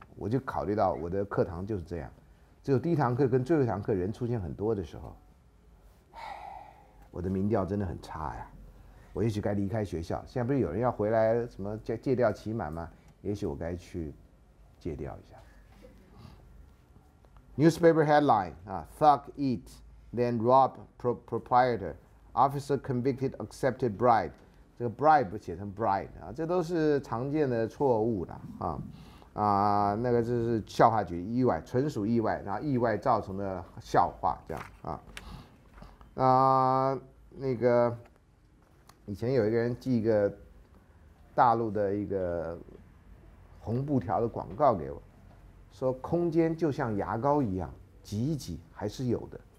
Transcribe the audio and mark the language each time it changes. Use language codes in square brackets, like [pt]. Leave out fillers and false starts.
[zh] 我就考虑到我的课堂就是这样，只有第一堂课跟最后一堂课人出现很多的时候，唉，我的民调真的很差呀。我也许该离开学校，现在不是有人要回来什么戒掉期满吗？也许我该去戒掉一下。 [en] Newspaper headline 啊 ，Thug eat then rob proprietor, officer convicted accepted bribe。 [zh] 这个 bribe 不写成 bride 啊，这都是常见的错误的啊啊，那个就是笑话局意外，纯属意外，然后意外造成的笑话这样啊啊那个。以前有一个人寄一个大陆的一个红布条的广告给我，说空间就像牙膏一样，挤一挤还是有的。